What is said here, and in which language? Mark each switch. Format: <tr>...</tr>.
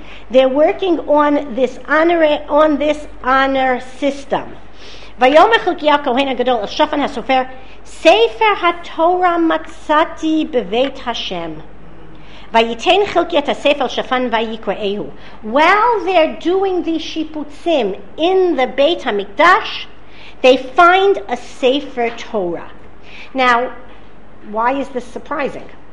<en>They're working on this honor, on this honor system.</en> <he>ויומך חלקיהו כהן הגדול על שפן הסופר ספר התורה מצאתי בבית השם ויתן חלקיה את הספר על שפן ויקראהו.</he> <en>While they're doing the שיפוצים in the בית המקדש, they find a safer Torah. Now, why is this surprising?</en>